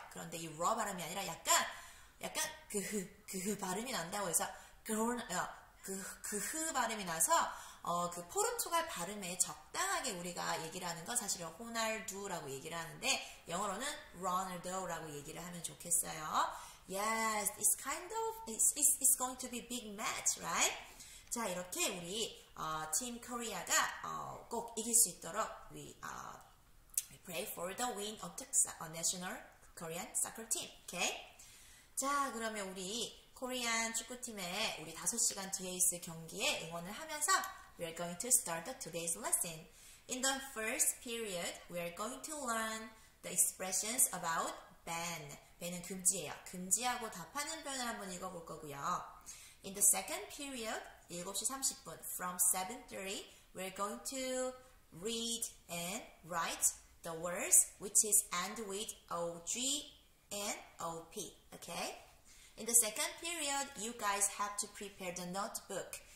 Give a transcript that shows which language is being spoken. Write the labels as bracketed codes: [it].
[ko] 그런데 이 러 발음이 아니라 약간 그 발음이 난다고 해서 그 발음이 나서 그 포르투갈 발음에 적당하게 우리가 얘기를 하는 건 사실은 호날두라고 얘기를 하는데 영어로는 Ronaldo라고 얘기를 하면 좋겠어요. [en] Yes, it's kind of it's going to be big match, right? [ko] 자, 이렇게 우리 팀 코리아가 꼭 이길 수 있도록 [en] we pray for the win of the national Korean soccer team. Okay? [ko] 자, 그러면 우리 코리안 축구팀의 우리 5시간 뒤에 있을 경기에 응원을 하면서 [en] we are going to start the today's lesson. In the first period, we are going to learn the expressions about ban. [ko] Ban은 금지예요. 금지하고 답하는 표현을 한번 읽어볼 거고요. [en] In the second period, [ko] 7시 30분, [en] from 7:30, we're going to read and write the words which is end with O-G and O-P, okay? In the second period, you guys have to prepare the notebook.